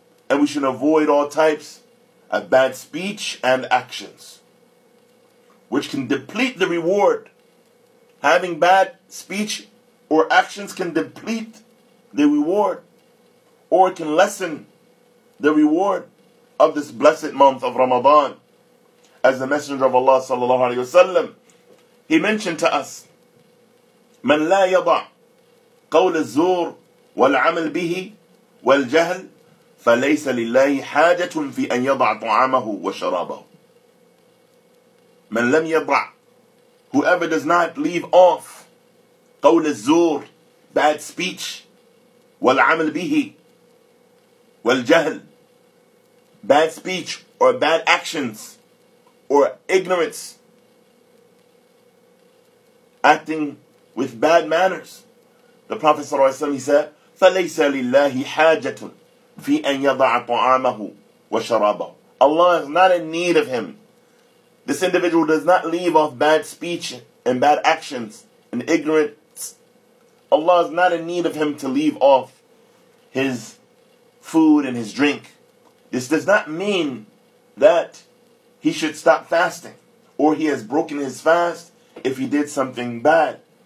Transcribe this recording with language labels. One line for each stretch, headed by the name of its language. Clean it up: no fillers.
English: And we should avoid all types of bad speech and actions, which can deplete the reward. Having bad speech or actions can deplete the reward, or can lessen the reward of this blessed month of Ramadan. As the Messenger of Allah sallallahu alaihi wasallam, he mentioned to us,
Arabic: من لا يضع قول الزور والعمل به والجهل فليس لله حاجة في أن يضع طعامه وشرابه. من لم يضع,
English: whoever does not leave off
Arabic: قول الزور,
English: bad speech,
Arabic: وَالْعَمَلْ بِهِ وَالْجَهْلِ,
English: bad speech or bad actions or ignorance, acting with bad manners. The Prophet ﷺ, he said,
Arabic: فَلَيْسَ لِلَّهِ حَاجَةٌ فِي أَنْ يَضَعَ طُعَامَهُ وَشَرَابَهُ.
English: Allah is not in need of him. This individual does not leave off bad speech and bad actions and ignorance. Allah is not in need of him to leave off his food and his drink. This does not mean that he should stop fasting or he has broken his fast if he did something bad.